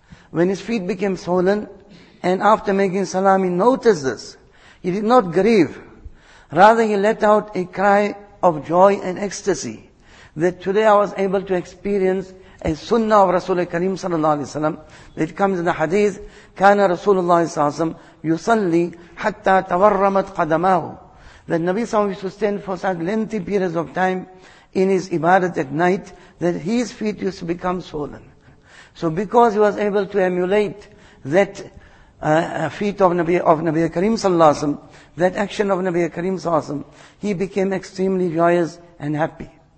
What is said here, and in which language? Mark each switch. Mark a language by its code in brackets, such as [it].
[en] When his feet became swollen, and after making salam, he noticed this. He did not grieve. Rather, he let out a cry of joy and ecstasy that today I was able to experience a sunnah of Rasulullah Kareem sallallahu alayhi wa sallam. It comes in the hadith, [ar] كان رسول الله صلى الله عليه وسلم يصلي حتى تورمت قدماه. [en] That Nabi صلى الله عليه وسلم used to stand for such lengthy periods of time in his ibadat at night that his feet used to become swollen. So because he was able to emulate that feet of Nabi Kareem صلى الله عليه وسلم, that action of Nabi Kareem صلى الله عليه وسلم, he became extremely joyous and happy.